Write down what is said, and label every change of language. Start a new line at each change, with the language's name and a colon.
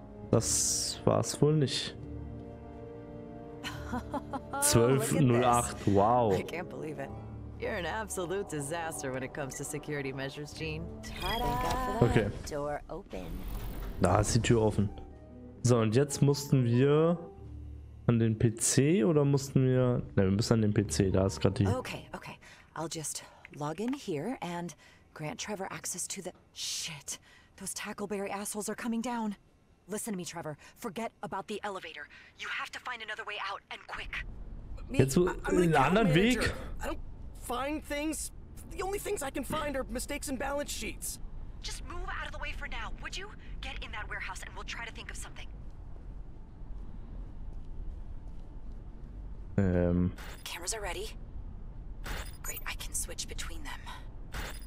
German: Das war's wohl nicht. 1208. Wow.
English: I can't believe it. You're an absolute disaster when it comes to security measures, Gene. Ta-da. Okay. Door open.
German: Da ist die Tür offen. So, und jetzt mussten wir an den PC oder mussten wir... Ne, wir müssen an den PC, da ist gerade die...
English: Okay, okay. I'll just log in here and grant Trevor access to the... Shit. Those Tackleberry assholes are coming down. Listen to me, Trevor. Forget about the elevator. You have to find another way out and quick.
German: Jetzt einen anderen Weg.
English: I don't find things. The only things I can find are mistakes in balance sheets. Just move out of the way for now, would you? Get in that warehouse and we'll try to think of something. Cameras are ready. Great, I can switch between them.